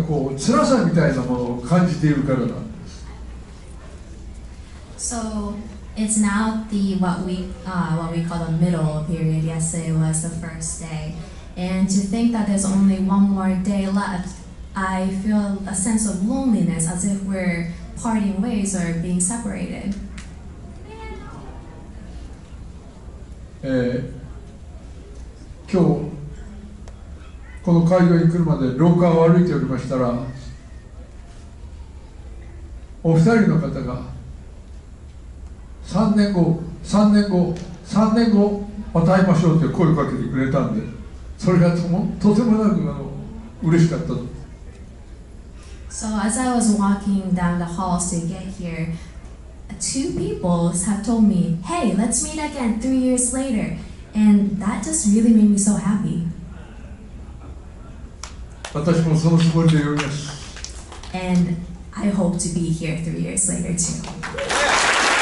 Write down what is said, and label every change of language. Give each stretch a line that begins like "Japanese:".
Japanese: いつもそうなんですが、今年は一年を昨日初日、それで今日は中日と言いますけれども、あと余すところ一日だけだと思うと、なんとなく心の中が胸騒ぎをいたします。それは、いわく言い難い何か、そうですね、別れることのなんかこう辛さみたいなものを感じているからだ。
English: So it's now the what we call the middle period. Yesterday was the first day, and to think that there's only one more day left, I feel a sense of loneliness, as if we're parting ways or being separated. Today,
Japanese: 3年後、3年後、3年後、また会いましょうって声をかけてくれたんで、それがとてもなく嬉しかった。
English: So as I was walking down the halls to get here, two people have told me, "Hey, let's meet again 3 years later," and that just really made me so happy.
Japanese: 私もそのつもりでおります。
English: And I hope to be here 3 years later too.